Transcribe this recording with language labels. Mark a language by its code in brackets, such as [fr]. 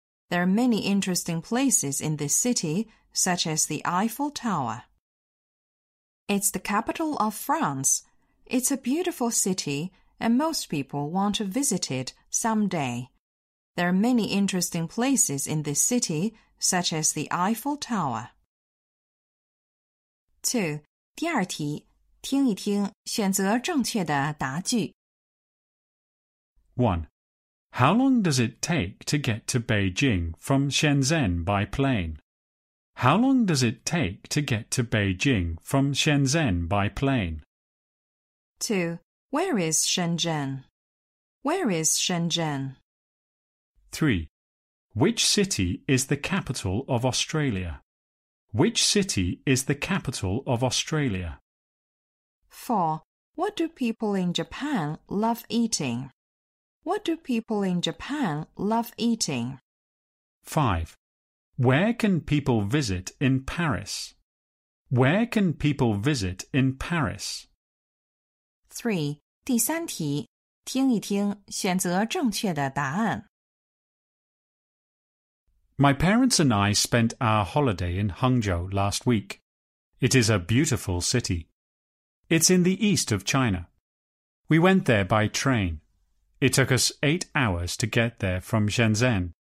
[en] There are many interesting places in this city, such as the Eiffel Tower. It's the capital of France. It's a beautiful city and most people want to visit it someday. There are many interesting places in this city, such as the Eiffel Tower. 2. [zh] 第二题，听一听选择正确的答句。 [en] 1. How long does it take to get to Beijing from Shenzhen by plane? How long does it take to get to Beijing from Shenzhen by plane? 2. Where is Shenzhen? Where is Shenzhen? 3. Which city is the capital of Australia? Which city is the capital of Australia? 4. What do people in Japan love eating? What do people in Japan love eating? 5. Where can people visit in Paris? Where can people visit in Paris? 3. [zh] 第三题，听一听选择正确的答案。 [en] My parents and I spent our holiday in Hangzhou last week. It is a beautiful city. It's in the east of China. We went there by train. It took us 8 hours to get there from Shenzhen.